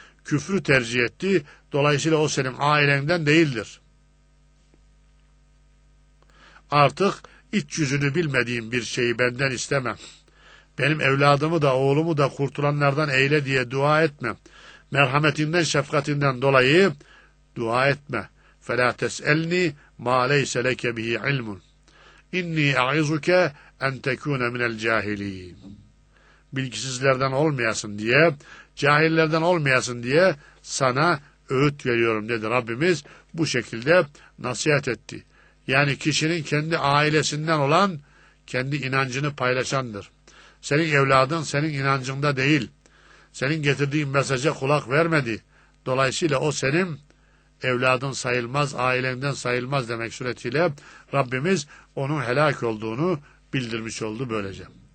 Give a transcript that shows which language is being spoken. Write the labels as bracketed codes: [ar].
[tr] Küfrü tercih etti. Dolayısıyla o senin ailenden değildir. Artık iç yüzünü bilmediğim bir şeyi benden isteme. Benim evladımı da oğlumu da kurtulanlardan eyle diye dua etme. Merhametinden, şefkatinden dolayı dua etme. [ar] فَلَا تَسْأَلْنِي مَا لَيْسَ لَكَ بِهِ عِلْمٌ اِنِّي اَعِذُكَ اَنْ تَكُونَ مِنَ الْجَاهِلِينَ [tr] Bilgisizlerden olmayasın diye, cahillerden olmayasın diye sana öğüt veriyorum dedi Rabbimiz. Bu şekilde nasihat etti. Yani kişinin kendi ailesinden olan kendi inancını paylaşandır. Senin evladın senin inancında değil. Senin getirdiğin mesaja kulak vermedi. Dolayısıyla o senin evladın sayılmaz, ailenden sayılmaz demek suretiyle Rabbimiz onun helak olduğunu bildirmiş oldu böylece.